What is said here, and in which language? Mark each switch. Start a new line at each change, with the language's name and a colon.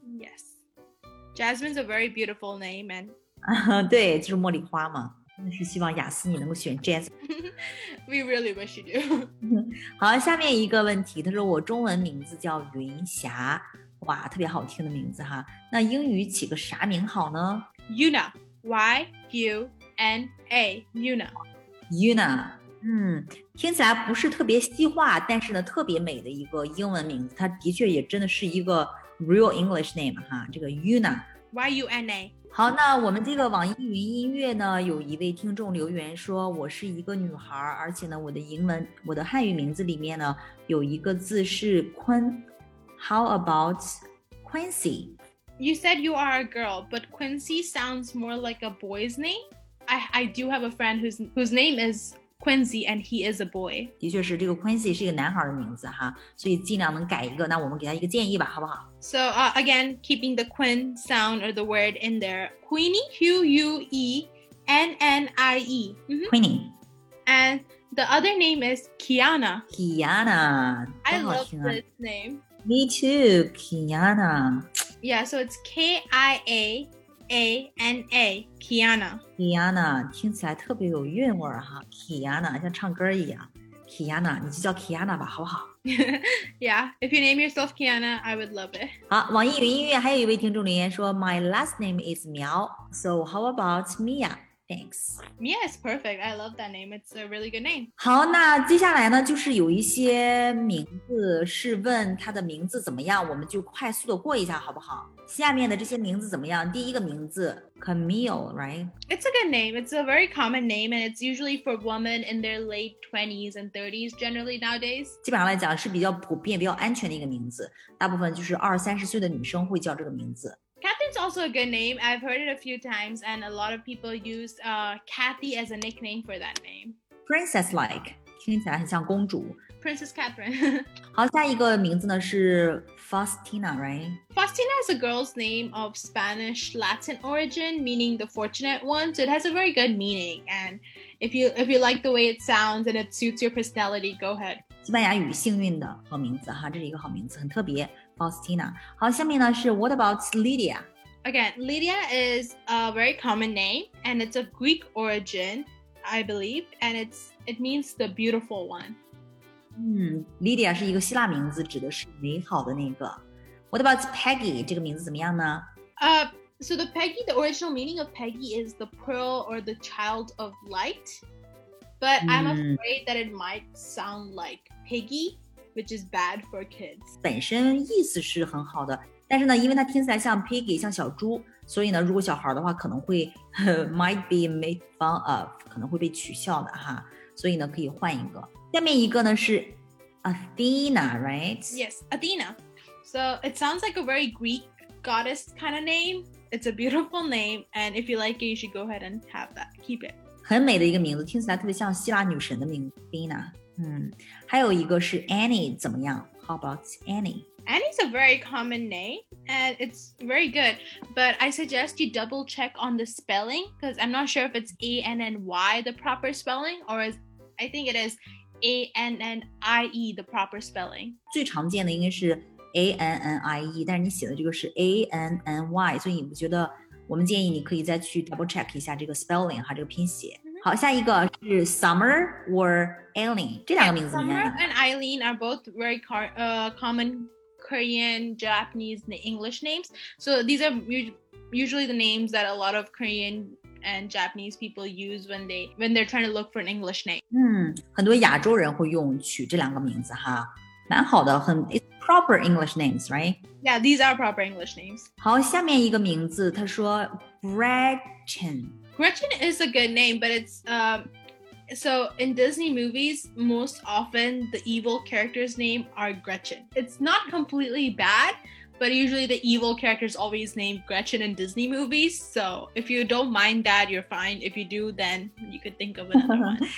English: Yes. Jasmine's a very beautiful name. And
Chinese: 对，就是茉莉花嘛。是希望雅思你能够选 Jasmine.
English: We really wish you do.
Chinese: 好，下面一个问题，他说我中文名字叫云霞。哇，特别好听的名字哈。那英语起个啥名好呢？
English: Yuna. Y-U. N-A, Yuna.
Chinese: Yuna, 听起来不是特别西化，但是呢特别美的一个英文名字，它的确也真的是一个
English: real English name,
Chinese: 哈，这个 Yuna.
English: Y-U-N-A.
Chinese: 好，那我们这个网易云音乐呢，有一位听众留言说，我是一个女孩，而且呢我的汉语名字里面呢有一个字是坤。
English: How about Quincy? You said you are a girl, but Quincy sounds more like a boy's name? I do have a friend whose name is Quincy, and he is a boy.
Chinese: 的确是这个 Quincy 是一个男孩的名字哈，所以尽量能改一个，那我们给他一个建议吧，好不好？
English: So again, keeping the Quinn sound or the word in there, Queenie, Q-U-E-N-N-I-E, Queenie. And the other name is Kiana. Kiana, I love this name. Me too, Kiana. Yeah, so it's K-I-A-N-A. K-I-A-N-A, Kiana.
Chinese: Kiana, 听起来特别有韵味哈。Kiana, 像唱歌一样。 Kiana, 你就叫 Kiana 吧，好不好？
English: Yeah, if you name yourself Kiana, I would love it.
Chinese: 好，网易云音乐还有一位听众留言说
English: My last name is Miao, so how about Mia? Thanks. Mia is perfect. I love that name. It's a really good name.
Chinese: 好，那接下来呢，就是有一些名字是问他的名字怎么样，我们就快速的过一下，好不好？下面的这些名字怎么样？第一个名字 Camille, right?
English: It's a good name. It's a very common name, and it's usually for women in their late 20s and 30s, generally nowadays. 基本上来讲是比较普遍、比较安全的一个名字。大部分就是二三十岁的女生会叫这个名字。 Catherine's also a good name. I've heard it a few times, and a lot of people use Kathy as a nickname for that name.
Chinese: Princess-like, 听起来很像公主。
English: Princess Catherine.
Chinese: 好，下一个名字呢是 Faustina, right?
English: Faustina is a girl's name of Spanish Latin origin, meaning the fortunate one. So it has a very good meaning. And if you like the way it sounds and it suits your personality, go ahead.
Chinese: 西班牙语幸运的好名字哈，这是一个好名字，很特别。
English: Faustina.
Chinese: 好，下面呢是
English: What about Lydia? Again, Lydia is a very common name, and it's of Greek origin, I believe, and it means the beautiful one.
Chinese: Lydia 是一个希腊名字，指的是美好的那个。
English: What about Peggy?
Chinese: 这个名字怎么样呢？
English: So the Peggy, the original meaning of Peggy is the pearl or the child of light, but I'm afraid that it might sound like Piggy. Which is bad for kids.
Chinese: 本身意思是很好的，但是呢，因为它听起来像 piggy, 像小猪，所以呢，如果小孩的话，可能会
English: might be made fun of,
Chinese: 可能会被取笑的哈。所以呢，可以换一个。下面一个呢是 Athena, right?
English: Yes, Athena. So it sounds like a very Greek goddess kind of name. It's a beautiful name, and if you like it, you should go ahead and have that. Keep it.
Chinese: 很美的一个名字，听起来特别像希腊女神的名字 Athena. 还有一个是 Annie 怎么样
English: How about Annie? Annie's a very common name and it's very good, but I suggest you double check on the spelling because I'm not sure if it's A-N-N-Y the proper spelling or is, I think it is A-N-N-I-E the proper spelling.
Chinese: 最常见的应该是 A-N-N-I-E, 但是你写的这个是 A-N-N-Y, 所以我觉得我们建议你可以再去
English: double check
Chinese: 一下这个 spelling 和这个拼写。好，下一个是 Summer or Eileen, 这两个名字怎么样
English: Summer and Eileen are both very common Korean, Japanese, and English names. So these are usually the names that a lot of Korean and Japanese people use when they're trying to look for an English name.
Chinese: 很多亚洲人会用取这两个名字哈，蛮好的，很
English: it's proper English names, right? Yeah, these are proper English names.
Chinese: 好，下面一个名字，他说 Gretchen.
English: Gretchen is a good name, but it's, so in Disney movies, most often the evil character's name are Gretchen. It's not completely bad, but usually the evil character's always named Gretchen in Disney movies. So if you don't mind that, you're fine. If you do, then you could think of another one.